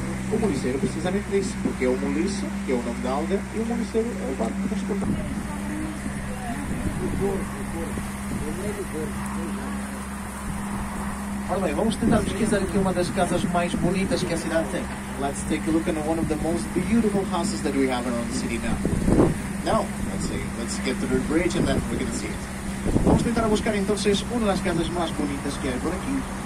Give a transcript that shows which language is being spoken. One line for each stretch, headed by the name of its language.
Portuguese: O moliceiro precisamente disso, porque é o moliço, que é o nome da alga, e o moliceiro é o barco que transporta. Ora bem, vamos tentar pesquisar aqui uma das casas mais bonitas que a cidade tem.
English: Let's take a look at one of the most beautiful houses that we have around the city now. Now, let's see. Let's get to the bridge and then we're gonna see it.
Portuguese: Vamos tentar buscar então uma das casas mais bonitas que há por aqui.